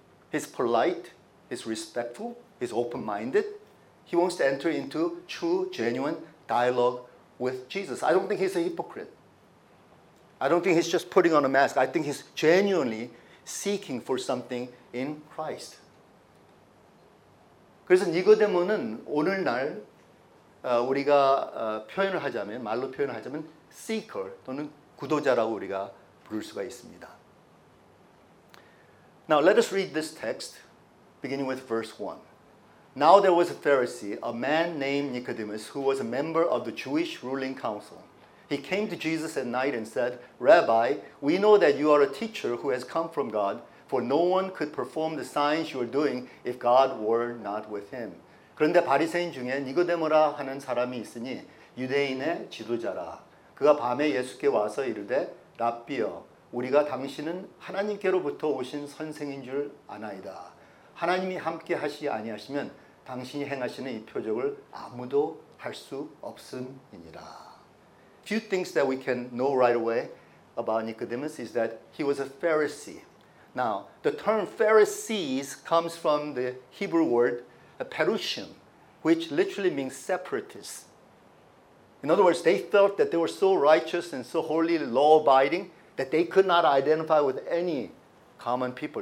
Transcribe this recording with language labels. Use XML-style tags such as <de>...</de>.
<en>He's polite, he's respectful, he's open-minded. He wants to enter into true, genuine dialogue with Jesus. I don't think he's a hypocrite. I don't think he's just putting on a mask. I think he's genuinely seeking for something in Christ.</en> <ko>그래서 니고데모는 오늘날 우리가 표현을 하자면 말로 표현을 하자면 seeker 또는 구도자라고 우리가 부를 수가 있습니다.</ko> <en>Now let us read this text beginning with verse 1. Now there was a Pharisee, a man named Nicodemus, who was a member of the Jewish ruling council. He came to Jesus at night and said, Rabbi, we know that you are a teacher who has come from God, for no one could perform the signs you are doing if God were not with him.</en> <ko>그런데 바리새인 중에 니고데모라 하는 사람이 있으니 유대인의 지도자라. 그가 밤에 예수께 와서 이르되, 랍비여, 우리가 당신은 하나님께로부터 오신 선생인 줄 아나이다. 하나님이 함께 하시 아니하시면 당신이 행하시는 이 표적을 아무도 할 수 없음이니라.</ko> <en>Few things that we can know right away about Nicodemus is that he was a Pharisee. Now, the term Pharisees comes from the Hebrew word perushim, which literally means separatists. In other words, they felt that they were so righteous and so holy, law-abiding, that they could not identify with any common people.</en>